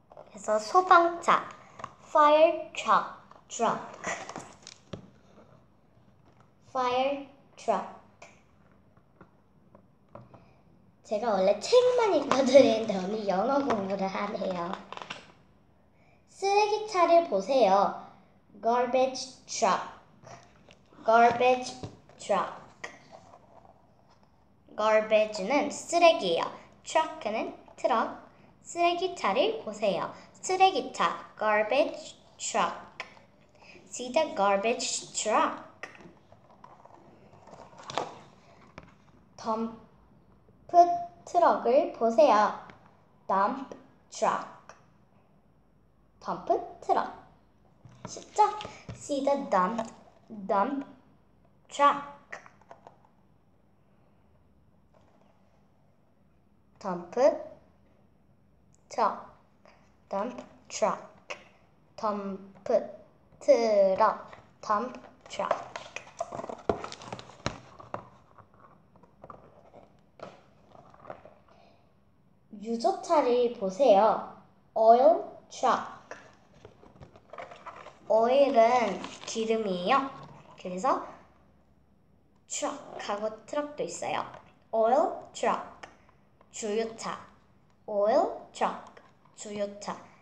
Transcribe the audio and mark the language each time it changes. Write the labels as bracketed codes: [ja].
[ko] 그래서 소방차, [en] fire truck, fire truck. [ko] 제가 원래 책만 읽어드리는데 오늘 영어 공부를 하네요. 쓰레기차를 보세요. [en] Garbage truck, garbage truck. [ko] Garbage는 쓰레기예요. Truck는 트럭. 쓰레기차를 보세요. 쓰레기차, [en] garbage truck. See the garbage truck. [ko] 덤프 트럭을 보세요. [en] Dump truck. [ko] 덤프 트럭. 쉽죠? [en] See the dump truck. [ko] 덤프 트럭, [en] dump truck, dump truck, dump truck. [ko] 유족차를 보세요. [en] Oil truck. [ko] 오일은 기름이에요. 그래서 truck하고 트럭도 있어요. [en] Oil truck, [ko] 주유차. [en] Oil truck, 주유차.